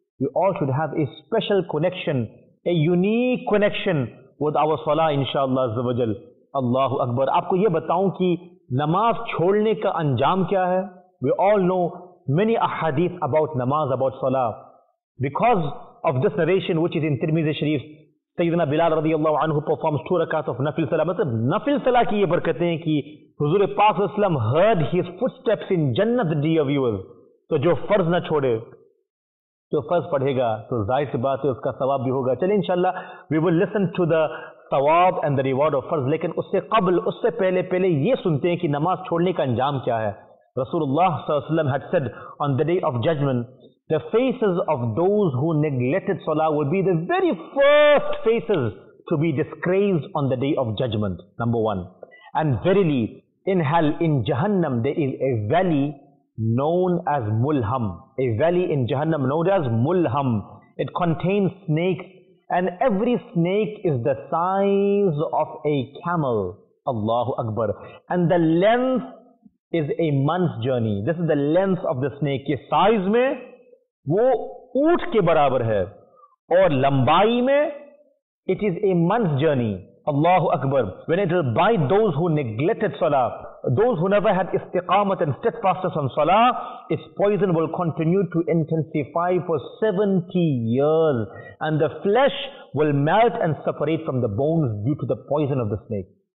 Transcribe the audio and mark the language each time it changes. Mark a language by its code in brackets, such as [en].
[en] We all should have a special connection, a unique connection with our salah, inshallah azza wa jal. Allahu Akbar. [ur] Aapko ye bataun ki namaz chhodne ka anjaam kya hai? [en] We all know many ahadith about namaz, about salah. Because of this narration which is in Tirmidhi Sharif, [ur] سیدنا بلال رضی اللہ عنہ [en] performs two rakats of [ur] نفل صلاح, مطلب نفل صلاح کی یہ برکتیں ہیں کہ حضور پاک صلی اللہ علیہ وسلم [en] heard his footsteps in [ur] جنت [en] dear viewers. [ur] تو جو فرض نہ چھوڑے, جو فرض پڑھے گا تو ظاہر سی بات ہے اس کا ثواب بھی ہوگا. چلیں انشاءاللہ [en] we will listen to the [ur] ثواب [en] and the reward of [ur] فرض, لیکن اس سے قبل, اس سے پہلے پہلے یہ سنتے ہیں کہ نماز چھوڑنے کا انجام کیا ہے. [en] رسول اللہ صلی اللہ علیہ وسلم had said on the day of judgment, the faces of those who neglected salah will be the very first faces to be disgraced on the day of judgment, number one. And verily, in hell, in Jahannam, there is a valley known as Mulham. A valley in Jahannam known as Mulham. It contains snakes, and every snake is the size of a camel. Allahu Akbar. And the length is a month's journey. This is the length of the snake. [ur] Ye size mein, وہ اونٹ کے برابر ہے, اور لمبائی میں [en] it is a month's journey. [ar] اللہ اکبر. [en] When it is by those who neglected salah, those who never had استقامت and steadfastness on salah, its poison will continue to intensify for 70 years and the flesh will melt and separate from the bones due to the poison of the snake.